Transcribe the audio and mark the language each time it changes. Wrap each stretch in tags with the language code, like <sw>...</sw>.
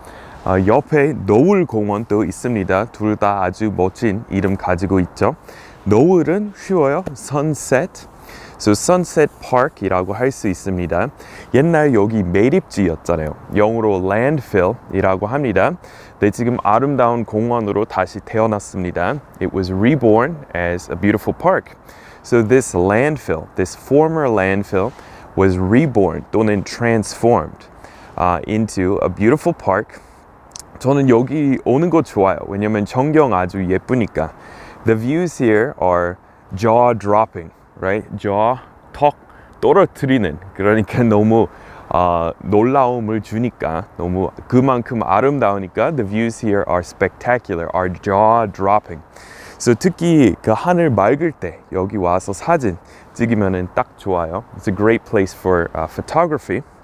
<ko>옆에 노을 공원도 있습니다. 둘 다 아주 멋진 이름 가지고 있죠. 노을은 쉬워요. sunset.</ko> <en>So sunset park</en> <ko>이라고 할 수 있습니다. 옛날 여기 매립지였잖아요. 영어로 landfill이라고 합니다. 네, 지금 아름다운 공원으로 다시 태어났습니다.</ko> <en>It was reborn as a beautiful park. So this landfill, this former landfill was reborn 또는 transformed into a beautiful park.</en> <ko>저는 여기 오는 거 좋아요. 왜냐면 전경 아주 예쁘니까.</ko> <en>The views here are jaw-dropping, right?</en> <ko>Jaw, 턱 떨어뜨리는. 그러니까 너무 놀라움을 주니까, 너무 그만큼 아름다우니까</ko> <en>The views here are spectacular, are jaw-dropping.</en> <ko>So 특히 그 하늘 맑을 때 여기 와서 사진 찍으면 딱 좋아요.</ko> <en>It's a great place for photography.</en>